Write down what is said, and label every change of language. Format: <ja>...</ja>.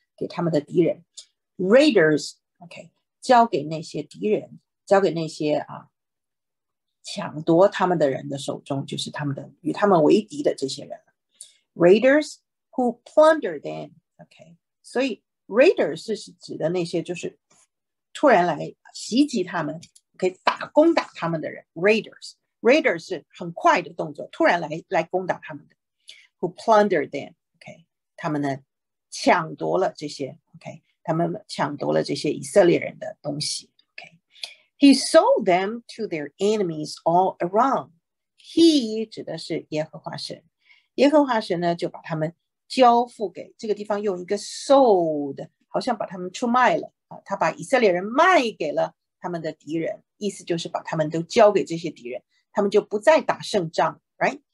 <zh>给他们的敌人 ，raiders， OK， 交给那些敌人，交给那些啊抢夺他们的人的手中，就是他们的与他们为敌的这些人 ，</zh> <en>raiders who plunder them，</en> <zh>OK， 所以 raiders 是指的那些就是突然来袭击他们 ，OK， 打攻打他们的人 ，raiders 是很快的动作，突然来攻打他们的 ，</zh> <en>who plunder them，</en> <zh>OK， 他们呢？抢夺了这些 ，OK， 他们抢夺了这些以色列人的东西 ，OK。</zh> <en>He sold them to their enemies all around.</en> <zh>He 指的是耶和华神，耶和华神呢就把他们交付给这个地方，用一个 sold， 好像把他们出卖了啊，他把以色列人卖给了他们的敌人，意思就是把他们都交给这些敌人，他们就不再打胜仗 ，Right？</zh>